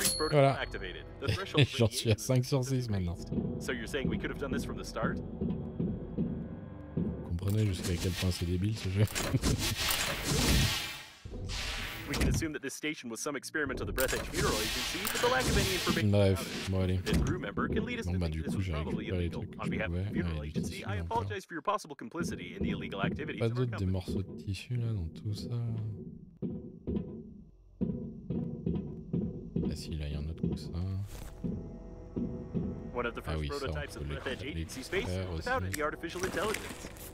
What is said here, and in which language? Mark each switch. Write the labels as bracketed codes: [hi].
[fr] Voilà. J'en suis à 5 sur 6 maintenant. Vous comprenez jusqu'à quel point c'est débile ce jeu. [en] We can assume that this station was some experiment of the Breath Edge funeral agency, but the lack of any information about bon, it. This crew member can lead us to think this was probably illegal. On behalf of the funeral agency, I apologize for your possible complicity in the illegal activities. [fr] Pas d'autres des morceaux de tissu là dans tout ça. Ah si, là, il y a un autre. ça. [en] One of the first prototypes of Lefebvre Agency Space without any artificial intelligence.